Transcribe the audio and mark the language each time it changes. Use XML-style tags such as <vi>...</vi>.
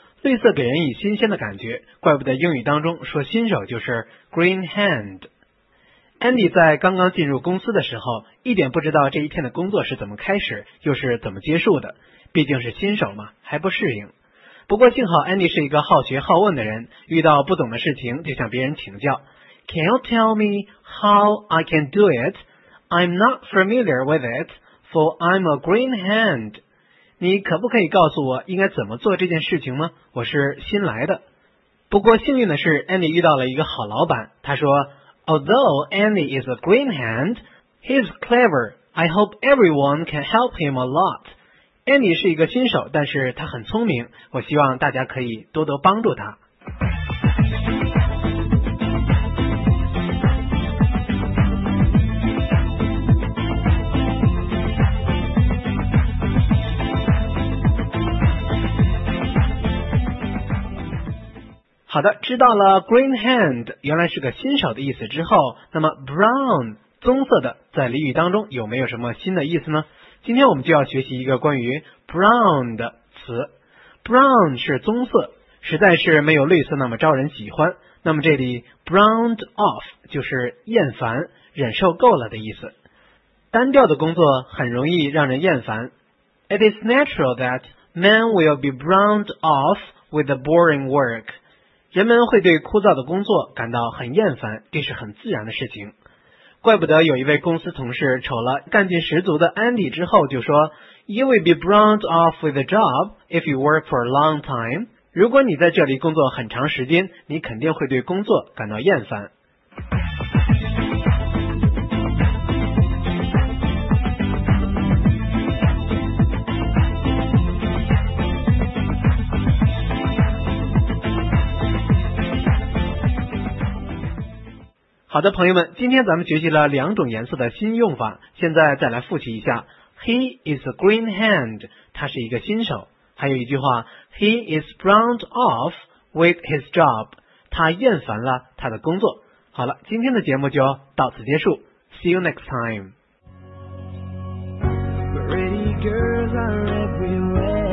<zh>绿色给人以新鲜的感觉，怪不得英语当中说新手就是 green hand。 Andy 在刚刚进入公司的时候，一点不知道这一天的工作是怎么开始又是怎么结束的，毕竟是新手嘛，还不适应。不过幸好 Andy 是一个好学好问的人，遇到不懂的事情就向别人请教。</zh> <en>Can you tell me how I can do it? I'm not familiar with it, for I'm a green hand.</en> <zh>你可不可以告诉我应该怎么做这件事情吗？我是新来的。不过幸运的是 Andy 遇到了一个好老板，他说</zh> <en>Although Andy is a green hand, he's clever. I hope everyone can help him a lot.</en> <zh>Andy 是一个新手，但是他很聪明，我希望大家可以多多帮助他。好的，知道了 green hand 原来是个新手的意思之后，那么 brown 棕色的在俚语当中有没有什么新的意思呢？今天我们就要学习一个关于 brown 的词。 brown 是棕色，实在是没有绿色那么招人喜欢，那么这里 browned off 就是厌烦，忍受够了的意思。单调的工作很容易让人厌烦。</zh> <en>It is natural that men will be browned off with the boring work.</en> <zh>人们会对枯燥的工作感到很厌烦，这是很自然的事情。怪不得有一位公司同事瞅了干劲十足的 Andy 之后就说</zh> <en>You will be browned off with the job if you work for a long time.</en> <zh>如果你在这里工作很长时间，你肯定会对工作感到厌烦。好的，朋友们，今天咱们学习了两种颜色的新用法，现在再来复习一下。</zh> <en>He is a green hand，</en> <zh>他是一个新手。 还有一句话，</zh> <en>He is browned off with his job，</en> <zh>他厌烦了他的工作。好了，今天的节目就到此结束，</zh> <en>See you next time. Pretty girls are everywhere.</en>